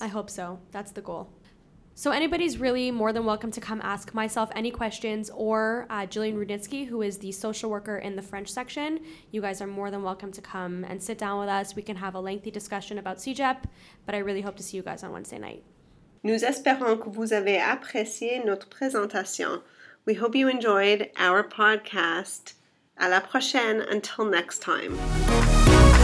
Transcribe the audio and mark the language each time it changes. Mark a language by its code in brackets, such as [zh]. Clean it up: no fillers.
[en] I hope so. That's the goal. So anybody's really more than welcome to come ask myself any questions, or Jillian Rudnitsky, who is the social worker in the French section. You guys are more than welcome to come and sit down with us. We can have a lengthy discussion about CGEP, but I really hope to see you guys on Wednesday night. [fr] Nous espérons que vous avez apprécié notre présentation. [en] We hope you enjoyed our podcast. [fr] À la prochaine. [en] Until next time.